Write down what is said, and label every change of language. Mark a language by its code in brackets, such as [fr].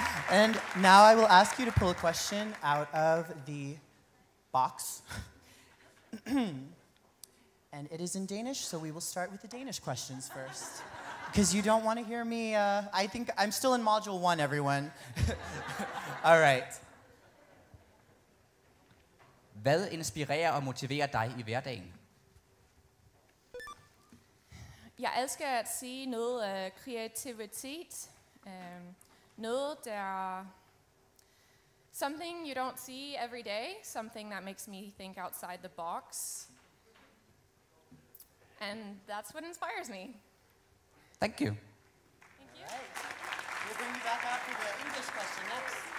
[en] And now I will ask you to pull a question out of the box. And it is in Danish, so we will start with the Danish questions first. Because you don't want to hear me, I think I'm still in module one, everyone. All right. [da] Hvad inspirerer og motiverer dig i hverdagen? Jeg elsker at sige noget kreativitet. Noget der... [en] Something you don't see every day. Something that makes me think outside the box. And that's what inspires me. Thank you. Thank you. Right. We'll bring you back after the English question next.